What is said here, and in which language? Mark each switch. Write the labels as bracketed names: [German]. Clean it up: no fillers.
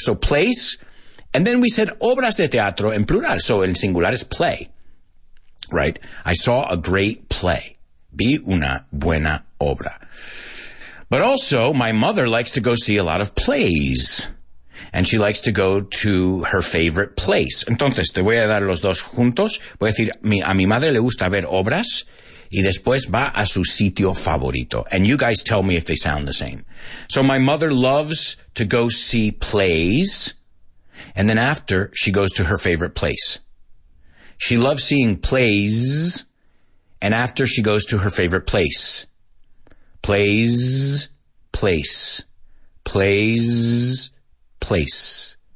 [English] So place, and then we said [Spanish] obras de teatro en plural. [English] So [Spanish] en singular [English] is play, right? I saw a great play. [Spanish] Vi una buena obra. [English] But also, my mother likes to go see a lot of plays. And she likes to go to her favorite place. [Spanish] Entonces, te voy a dar los dos juntos. Voy a decir, a mi madre le gusta ver obras. Y después va a su sitio favorito. [English] And you guys tell me if they sound the same. So my mother loves to go see plays. And then after, she goes to her favorite place. She loves seeing plays. And after she goes to her favorite place, plays, place, plays, place.